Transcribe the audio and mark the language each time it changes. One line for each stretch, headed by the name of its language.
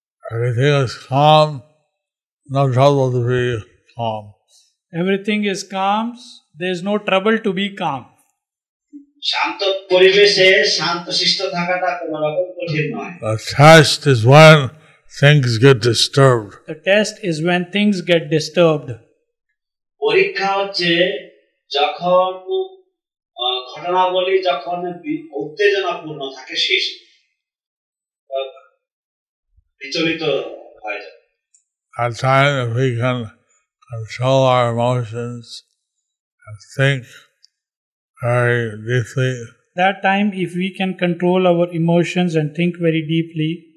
English: Everything is calm, no trouble to be calm. Everything is calm, there is no trouble to be calm.
Bangla: শান্ত পরিবেশে শান্ত শিষ্ট থাকাটা কোন রকম কঠিন নয়।
English: The test is when things get disturbed. The test is when things get disturbed.
Bangla: পরীক্ষা হচ্ছে যখন ঘটনাবলী যখন উত্তেজনাপূর্ণ থাকে শেষ বিচলিত হয় যায়।
English: That time if we can control our emotions and think very deeply. That time, if we can control our emotions and think very deeply,